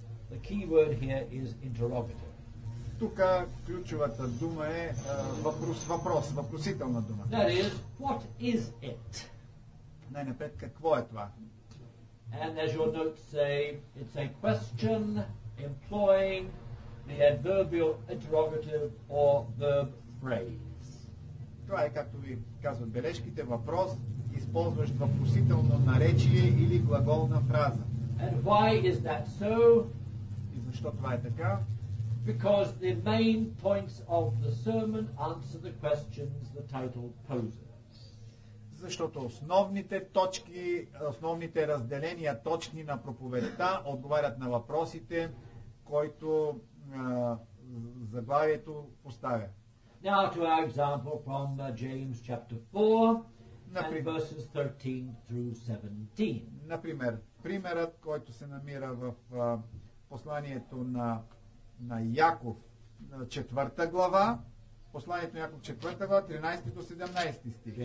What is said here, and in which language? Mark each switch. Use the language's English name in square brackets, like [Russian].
[English] The key word here is interrogative. [Bulgarian] Тук ключовата дума е въпросителна дума. [English] That is, what is it? [Bulgarian] Най-напред, какво е това? [English] And as your notes say, it's a question employing the adverbial interrogative or verb phrase. [Bulgarian] Това е, както ви казват бележките, въпрос, използващ въпросително наречие или глаголна фраза. [English] And why is that so? [Bulgarian] Що това е така? [English] Because the main points of the sermon answer the questions the title poses. [Bulgarian] Защото основните точки, основните разделения точки на проповедта отговарят на въпросите, които заглавието поставя. [English] Now to our example from James chapter 4, and verses 13 through 17. [Bulgarian] Например, примерът, който се намира в посланието на Яков, четвърта глава, посланието на Яков, четвърта глава, 13 до 17 стих.